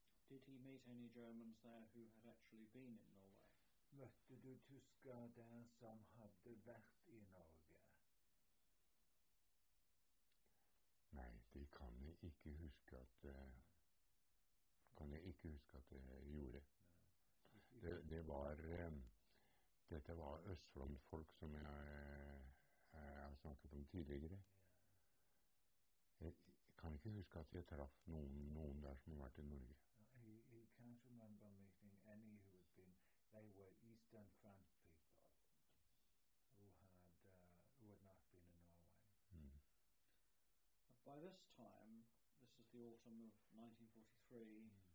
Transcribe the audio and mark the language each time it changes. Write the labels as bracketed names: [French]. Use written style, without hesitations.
[English] Did he meet any Germans there who had actually been in Norway? [Norwegian] Møtte du tyskere der som hadde vært i Norge? Nei, det kan jeg ikke huske at jeg gjorde. Det var dette var Østfront-folk som jeg har snakket om tidligere. Jeg kan ikke huske at jeg traff noen der som har vært i Norge. [English] I can't remember meeting any who had been. They were Eastern Front people who had not been in Norway. Mm. By this time, this is the autumn of 1943. Mm.